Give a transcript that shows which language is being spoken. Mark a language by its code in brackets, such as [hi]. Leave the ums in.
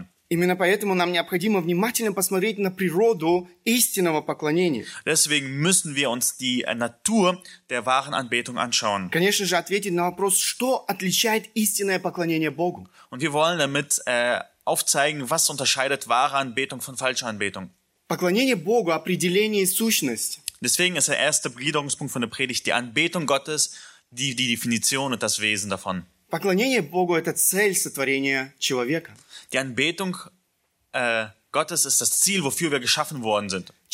[ru] Именно поэтому нам необходимо внимательно посмотреть на природу истинного поклонения. [de] Deswegen müssen wir uns die Natur der wahren Anbetung anschauen. [ru] Конечно же, ответить на вопрос, что отличает истинное поклонение Богу. [de] Und wir wollen damit äh, aufzeigen, was unterscheidet wahre Anbetung von falscher Anbetung. [ru] Поклонение Богу, определение и сущность. [de] Deswegen ist der erste Gliederungspunkt von der Predigt die Anbetung Gottes, die, die Definition und das Wesen davon. [ru] Поклонение Богу – это цель сотворения человека. [de] Die Anbetung äh, Gottes ist das Ziel, wofür wir geschaffen worden sind.